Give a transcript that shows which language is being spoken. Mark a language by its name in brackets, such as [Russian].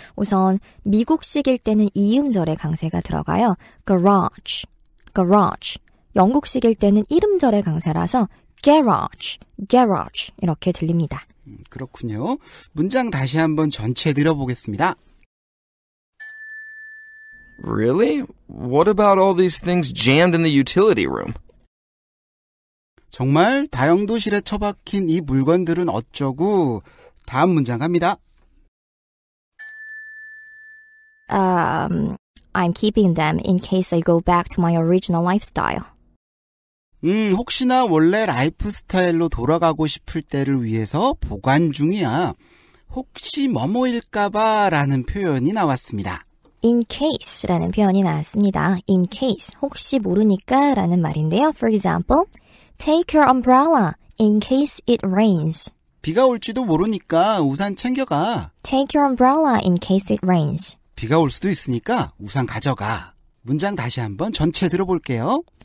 [Korean] 우선 미국식일 때는 이음절에 강세가 들어가요. garage, garage. 영국식일 때는 이름절에 강세라서 garage, garage 이렇게 들립니다. 그렇군요. 문장 다시 한번 전체 들어보겠습니다. [English] Really? What about all these things jammed in the utility room? [Korean] 정말 다용도실에 처박힌 이 물건들은 어쩌고? 다음 문장 갑니다. [English] I'm keeping them in case I go back to my original lifestyle. [Korean] 혹시나 원래 라이프 스타일로 돌아가고 싶을 때를 위해서 보관 중이야. 혹시 뭐뭐일까 봐 라는 표현이 나왔습니다. In case라는 표현이 나왔습니다. In case, 혹시 모르니까 라는 말인데요. [English] For example, Take your umbrella in case it rains. [Korean] 비가 올지도 모르니까 우산 챙겨가. [English] Take your umbrella in case it rains. [Korean] 비가 올 수도 있으니까 우산 가져가. 문장 다시 한번 전체 들어볼게요.